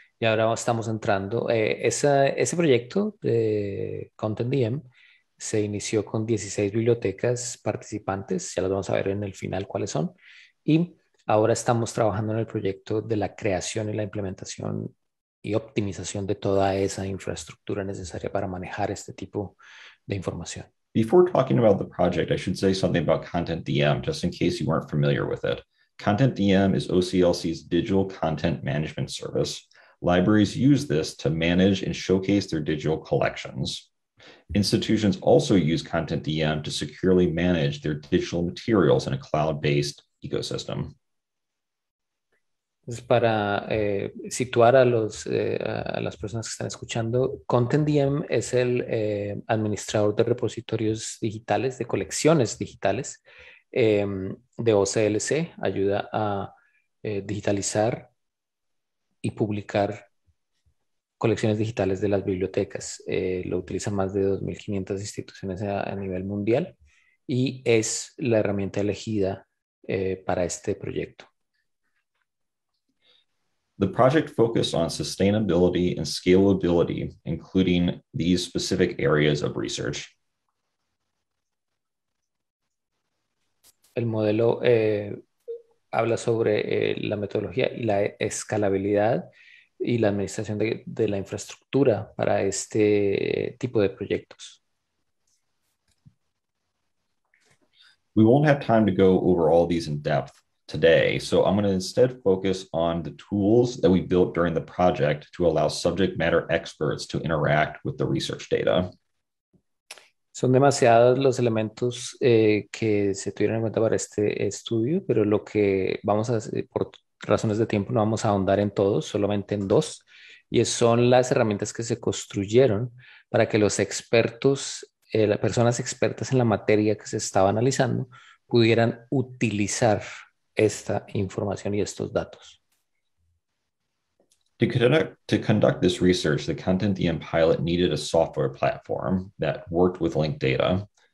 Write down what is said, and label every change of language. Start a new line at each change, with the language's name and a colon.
Spanish: Y ahora estamos entrando. Ese proyecto de ContentDM se inició con 16 bibliotecas participantes. Ya las vamos a ver en el final cuáles son. Y ahora estamos trabajando en el proyecto de la creación y la implementación y optimización de toda esa infraestructura necesaria para manejar este tipo de información.
English: Before talking about the project, I should say something about ContentDM, just in case you weren't familiar with it. ContentDM is OCLC's digital content management service. Libraries use this to manage and showcase their digital collections. Institutions also use ContentDM to securely manage their digital materials in a cloud-based ecosystem.
Spanish: Para situar a los a las personas que están escuchando, ContentDM es el administrador de repositorios digitales, de colecciones digitales de OCLC. Ayuda a digitalizar y publicar colecciones digitales de las bibliotecas. Lo utilizan más de 2.500 instituciones a nivel mundial y es la herramienta elegida para este proyecto.
English: The project focused on sustainability and scalability, including these specific areas of research.
Spanish: El modelo habla sobre la metodología y la escalabilidad y la administración de la infraestructura para este tipo de proyectos.
English: We won't have time to go over all these in depth today, so I'm going to instead focus on the tools that we built during the project to allow subject matter experts to interact with the research data.
Spanish: Son demasiados los elementos que se tuvieron en cuenta para este estudio, pero lo que vamos a hacer, por razones de tiempo, no vamos a ahondar en todos, solamente en dos, y son las herramientas que se construyeron para que los expertos, las personas expertas en la materia que se estaba analizando, pudieran utilizar esta información y estos datos.
English: To conduct this research, the ContentDM pilot needed a software platform that worked with linked data.